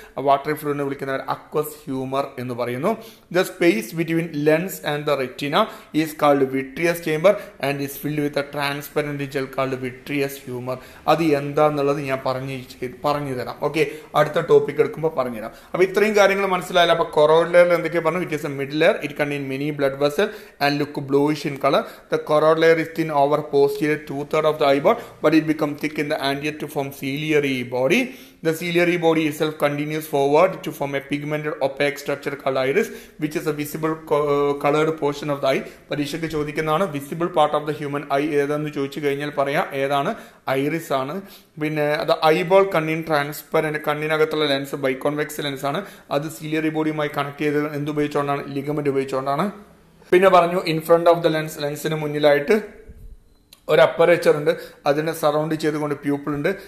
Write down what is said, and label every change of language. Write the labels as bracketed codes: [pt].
[ml] ആ വാട്ടറി ഫ്ലൂയിഡിനെ വിളിക്കുന്ന പേര് അക്വസ് ഹ്യൂമർ എന്ന് പറയുന്നു. [en] The space between lens and the retina is called vitreous chamber and is filled with a transparent gel called vitreous humour. [ml] അത് എന്താന്നുള്ളത് ഞാൻ പറഞ്ഞു തരാം. ഓക്കെ, അടുത്ത ടോപ്പിക് എടുക്കുമ്പോൾ പറഞ്ഞുതരാം. അപ്പോൾ ഇത്രയും കാര്യങ്ങൾ മനസ്സിലായാലോ. അപ്പോൾ കൊറോണയിൽ എന്തൊക്കെ പറഞ്ഞു, [en] is a middle layer. It contains many blood vessels and look bluish in color. The choroid layer is thin over posterior 2/3 of the eyeball, but it becomes thick in the anterior to form ciliary body. The ciliary body itself continues forward to form a pigmented opaque structure called iris, which is a visible colored portion of the eye. [ml] പരീക്ഷയ്ക്ക് ചോദിക്കുന്നതാണ് [en] visible part of the human eye [ml] ഏതാന്ന് ചോദിച്ചു കഴിഞ്ഞാൽ പറയാം ഏതാണ്, iris ആണ്. പിന്നെ അത് ഐബോൾ കണ്ണിൻ ട്രാൻസ്പെറൻറ്റ്, കണ്ണിനകത്തുള്ള ലെൻസ് ബൈക്കോൺവെക്സ് ലെൻസ് ആണ്. അത് സിലിയറി ബോഡിയുമായി കണക്ട് ചെയ്ത് എന്തുപയോഗിച്ചുകൊണ്ടാണ്, ലിഗമെന്റ് ഉപയോഗിച്ചുകൊണ്ടാണ്. പിന്നെ പറഞ്ഞു [en] in front of the lens, [ml] ലെൻസിന് മുന്നിലായിട്ട് ഒരു അപ്പറേച്ചർ ഉണ്ട്, അതിനെ സറൗണ്ട് ചെയ്തുകൊണ്ട് പ്യൂപ്പിൾ ഉണ്ട്.